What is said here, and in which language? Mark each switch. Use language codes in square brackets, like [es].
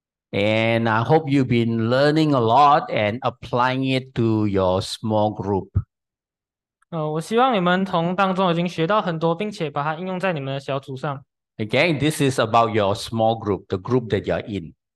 [en] And I hope you've been learning a lot and applying it to your small group. [zh] 我希望你们从当中已经学到很多，并且把它应用在你们的小组上。 [en] Again, this is about your small group, the group that you're in.